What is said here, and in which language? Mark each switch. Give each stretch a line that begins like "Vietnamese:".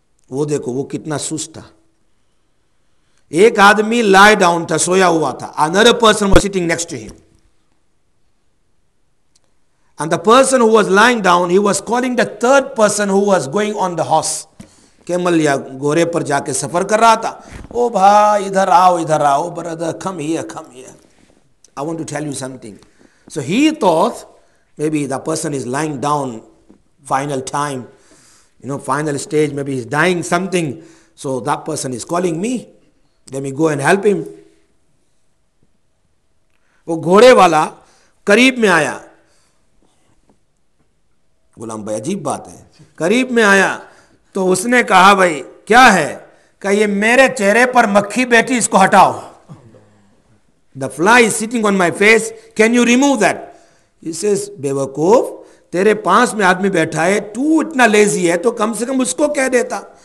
Urdu: وہ دیکھو وہ کتنا سست تھا. ایک آدمی لائے ڈاؤن تھا, سویا ہوا تھا,
English: another person was sitting next to him and the person who was lying down he was calling the third person who was going on the horse.
Urdu: Camel یا گھوڑے پر جا کے سفر کر رہا تھا. او بھائی ادھر آؤ ادھر آؤ,
English: Brother come here come here, I want to tell you something. So he thought maybe the person is lying down final time, you know final stage, maybe is dying something, so the person is calling me, let me go and help him.
Urdu: وہ گھوڑے والا قریب میں آیا, غلام بھائی عجیب بات ہے, قریب میں آیا تو اس نے کہا بھائی کیا ہے, کہ یہ میرے چہرے پر مکھی بیٹھی, اس کو ہٹاؤ.
English: The fly is sitting on my face, can you remove that?
Urdu: He Cs بے وقوف, تیرے پاس میں آدمی بیٹھا ہے, تو اتنا لیزی ہے تو کم سے کم اس کو کہہ دیتا.